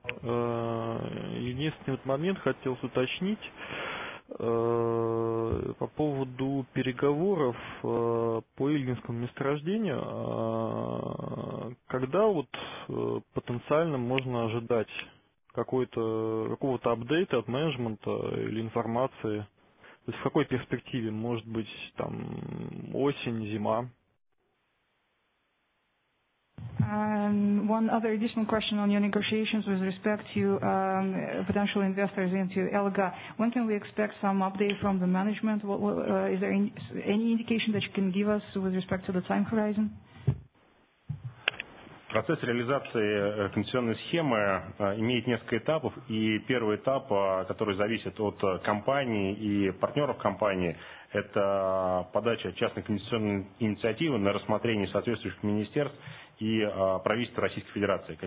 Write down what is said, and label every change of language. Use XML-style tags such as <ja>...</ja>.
<ru>Единственный момент хотел уточнить по поводу переговоров по Ильинскому месторождению. Когда вот потенциально можно ожидать какого-то апдейта от менеджмента или информации? То есть в какой перспективе? Может быть, там осень, зима?</ru> <en>One other additional question on your negotiations with respect to potential investors into ELGA. When can we expect some update from the management? Is there any indication that you can give us with respect to the time horizon?</en> <ru>Процесс реализации концессионной схемы имеет несколько этапов, и первый этап, который зависит от компании и партнеров компании, это подача частной конституционной инициативы на рассмотрение соответствующих министерств и правительства Российской Федерации.</ru>